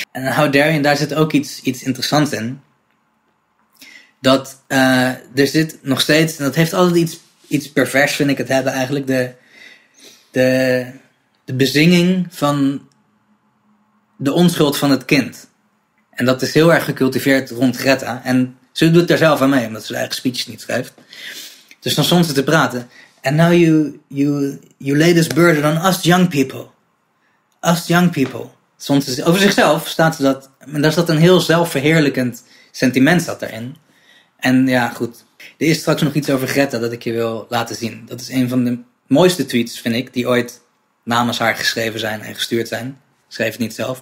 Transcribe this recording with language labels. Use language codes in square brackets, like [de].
[nl] En [en] how dare you, [nl] daar zit ook iets interessants in. Dat er zit nog steeds, en dat heeft altijd iets pervers, vind ik het hebben eigenlijk. De bezinging van de onschuld van het kind. En dat is heel erg gecultiveerd rond Greta. En ze doet daar zelf aan mee, omdat ze de eigen speeches niet schrijft. Dus dan stond ze te praten... [en] And now you lay this burden on us young people. Us young people. [nl] Over zichzelf staat ze dat... En daar zat een heel zelfverheerlijkend sentiment zat erin. En ja, goed. Er is straks nog iets over Greta dat ik je wil laten zien. Dat is een van de mooiste tweets, vind ik... die ooit namens haar geschreven zijn en gestuurd zijn. Schreef het niet zelf.